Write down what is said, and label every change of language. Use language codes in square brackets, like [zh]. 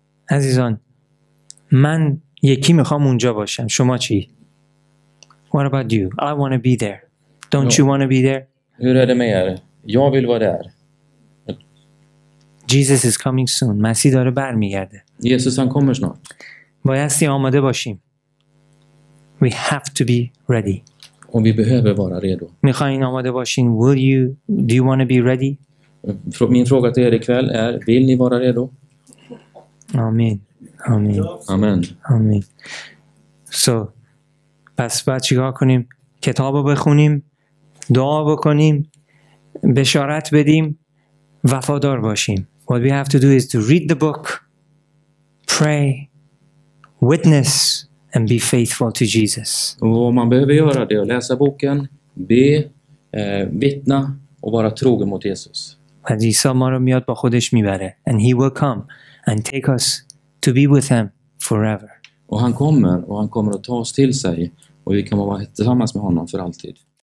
[fa] Azizan, man yeki mikham unja bashem. Shoma chi? [en] What about you? I want to be there. Don't you want to be there? [sv] Hur är det med er? Jag vill vara där. [en] Jesus is coming soon. [sv] Messias är [fa] برمیگرده. [sv] Jesus han kommer snart. [fa] Bayasti amade bashim. [en] We have to be ready. [sv] Och vi behöver vara redo. [fa] Mikhain amade bashin, [en] will you do you want to be ready? [sv] Min fråga till er ikväll är, vill ni vara redo? Amen. Amen. Amen. Amen. So, pas vad ska vi göra? [fa] Kitabo bekhunim. دعا بکنیم، بشارت بدیم، وفادار باشیم. [en] What we have to do is to read the book, pray, witness and be faithful to Jesus. [sv] Och man behöver göra det, läsa boken, be, vittna och vara trogen mot Jesus. Och [fa] Jesus ما رو میاد با خودش میبره. [en] And he will come and take us to be with him forever. [sv] Och han kommer att ta oss till sig och vi kommer att vara tillsammans med honom för alltid.